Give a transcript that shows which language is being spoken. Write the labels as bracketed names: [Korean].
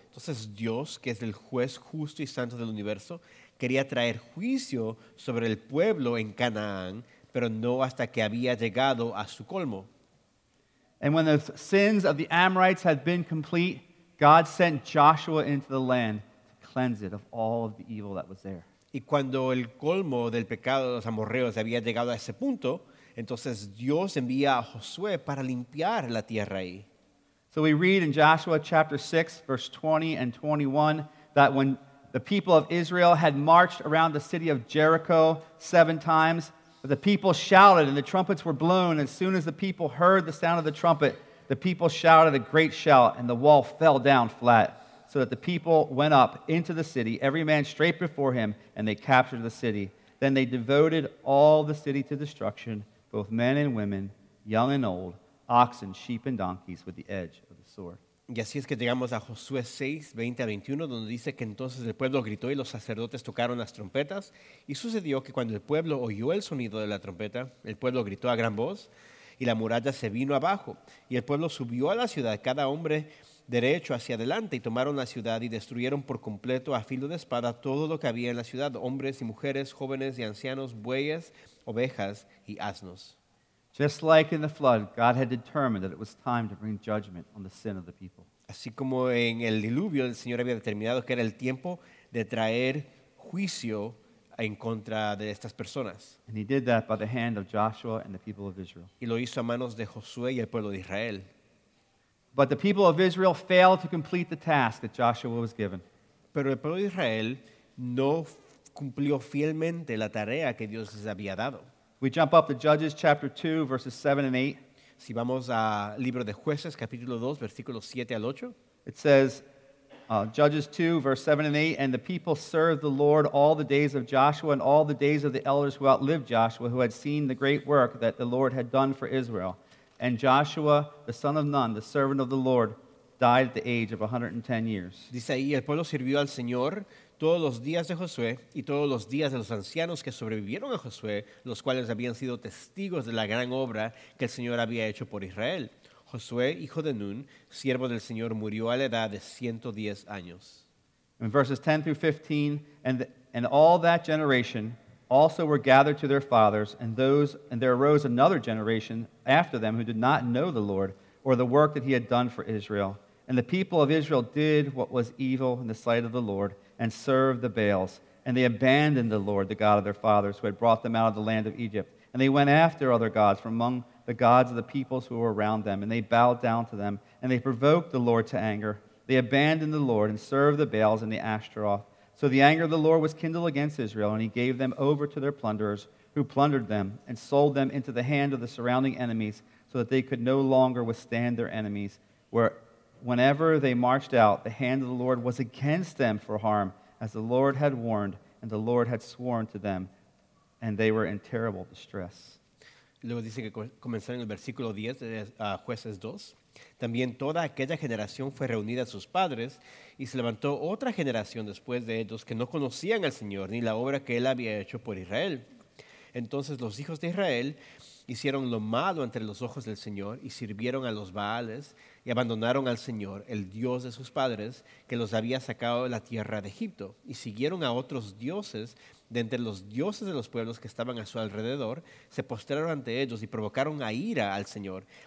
[Spanish] Entonces Dios, que es el juez justo y santo del universo, quería traer juicio sobre el pueblo en Canaán, pero no hasta que había llegado a su colmo. [English] And when the sins of the Amorites had been complete, God sent Joshua into the land to cleanse it of all of the evil that was there. [Spanish] Y cuando el colmo del pecado de los amorreos había llegado a ese punto, entonces Dios envía a Josué para limpiar la tierra ahí. [English] So we read in Joshua chapter 6, verse 20 and 21, that when the people of Israel had marched around the city of Jericho 7 times, but the people shouted and the trumpets were blown. As soon as the people heard the sound of the trumpet, the people shouted a great shout and the wall fell down flat so that the people went up into the city, every man straight before him, and they captured the city. Then they devoted all the city to destruction, both men and women, young and old, oxen, sheep, and donkeys with the edge of the sword. [Spanish] Y así es que llegamos a Josué 6, 20 a 21, donde dice que entonces el pueblo gritó y los sacerdotes tocaron las trompetas. Y sucedió que cuando el pueblo oyó el sonido de la trompeta, el pueblo gritó a gran voz y la muralla se vino abajo. Y el pueblo subió a la ciudad, cada hombre derecho hacia adelante, y tomaron la ciudad y destruyeron por completo a filo de espada todo lo que había en la ciudad, hombres y mujeres, jóvenes y ancianos, bueyes, ovejas y asnos. [English] Just like in the flood, God had determined that it was time to bring judgment on the sin of the people. [Spanish] Así como en el diluvio, el Señor había determinado que era el tiempo de traer juicio en contra de estas personas. [English] And he did that by the hand of Joshua and the people of Israel. [Spanish] Y lo hizo a manos de Josué y el pueblo de Israel. [English] But the people of Israel failed to complete the task that Joshua was given. [Spanish] Pero el pueblo de Israel no cumplió fielmente la tarea que Dios les había dado. [English] We jump up to Judges chapter 2, verses 7 and 8. [Spanish] Si vamos a Libro de Jueces, capítulo 2, versículos 7 al 8. [English] It says, Judges 2, verse 7 and 8, and the people served the Lord all the days of Joshua and all the days of the elders who outlived Joshua, who had seen the great work that the Lord had done for Israel. And Joshua, the son of Nun, the servant of the Lord, died at the age of 110 years. [Spanish] Dice ahí, el pueblo sirvió al Señor todos los días de Josué y todos los días de los ancianos que sobrevivieron a Josué, los cuales habían sido testigos de la gran obra que el Señor había hecho por Israel. Josué, hijo de Nun, siervo del Señor, murió a la edad de 110 años. [English] In verses 10 through 15, and all that generation also were gathered to their fathers, and there arose another generation after them who did not know the Lord or the work that he had done for Israel. And the people of Israel did what was evil in the sight of the Lord and served the Baals. And they abandoned the Lord, the God of their fathers, who had brought them out of the land of Egypt. And they went after other gods from among the gods of the peoples who were around them, and they bowed down to them, and they provoked the Lord to anger. They abandoned the Lord and served the Baals and the Ashtaroth. So the anger of the Lord was kindled against Israel, and he gave them over to their plunderers, who plundered them and sold them into the hand of the surrounding enemies, so that they could no longer withstand their enemies. Whenever they marched out, the hand of the Lord was against them for harm, as the Lord had warned and the Lord had sworn to them, and they were in terrible distress. [Spanish] Luego dice que comenzaron en el versículo 10 de Jueces 2. También toda aquella generación fue reunida a sus padres y se levantó otra generación después de ellos que no conocían al Señor ni la obra que Él había hecho por Israel. Entonces los hijos de Israel hicieron lo malo ante los ojos del Señor y sirvieron a los Baales y abandonaron al Señor, el Dios de sus padres, que los había sacado de la tierra de Egipto, y siguieron a otros dioses de entre los dioses de los pueblos que estaban a su alrededor, se postraron ante ellos y provocaron a ira al Señor,